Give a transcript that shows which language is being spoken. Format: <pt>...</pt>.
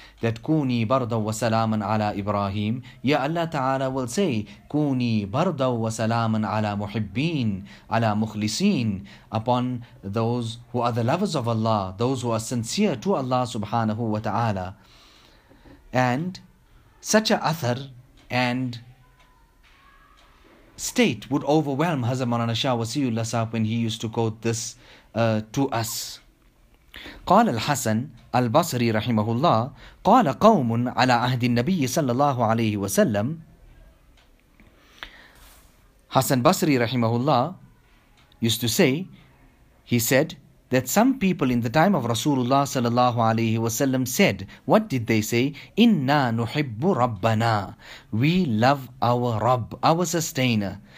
<en>That</en> <ar>kuni bardaw wa salaman ala Ibrahim.</ar> <en>Ya Allah ta'ala will say,</en> <ar>kuni bardaw wa salaman ala muhibbin, ala mukhlisin,</ar> <en>upon those who are the lovers of Allah, those who are sincere to Allah subhanahu wa ta'ala. And such a athar and state would overwhelm Hazrat Maulana Shah Wasiullah Sahib when he used to quote this to us.</en> <ar>قال الحسن البصري رحمه الله قال قوم على عهد النبي صلى الله عليه وسلم.</ar> <en>Hasan Basri</en> <ar>رحمه الله</ar> <en>used to say, he said that some people in the time of Rasulullah sallallahu alayhi wasallam said, what did they say?</en> <ar>Inna nuhibbu rabbana,</ar> <en>we love our Rabb, our sustainer.</en>